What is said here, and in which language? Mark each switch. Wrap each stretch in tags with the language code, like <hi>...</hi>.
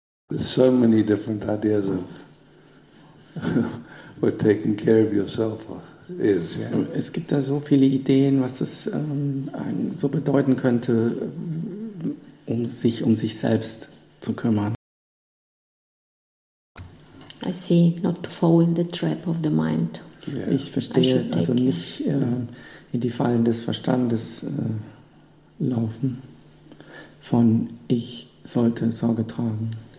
<en>There's so many different ideas of what taking care of yourself is. Yeah.</en> <de>Es gibt da so viele Ideen, was das so bedeuten könnte, um sich selbst zu kümmern.</de> <en>I see, not to fall in the trap of the mind. Yeah.</en> <de>Ich verstehe, also nicht in die Fallen des Verstandes laufen, von ich sollte Sorge tragen.</de>